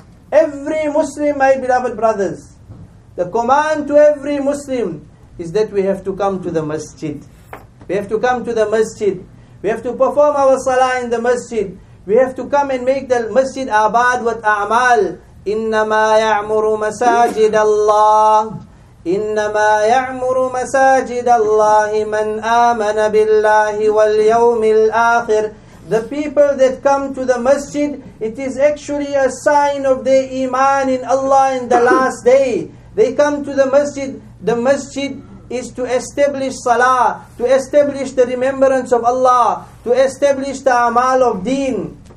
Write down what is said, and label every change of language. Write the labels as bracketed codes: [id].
[en] Every Muslim, my beloved brothers. The command to every Muslim is that we have to come to the masjid. We have to come to the masjid. We have to perform our salah in the masjid. We have to come and make the masjid abad wa a'mal. [ar] Innama ya'muru masajid Allah. إنما يعمر مساجد الله من آمن بالله واليوم الآخر. [en] The people that come to the masjid, it is actually a sign of their iman in Allah in the last day. They come to the masjid. The masjid is to establish salah, to establish the remembrance of Allah, to establish the amal of deen.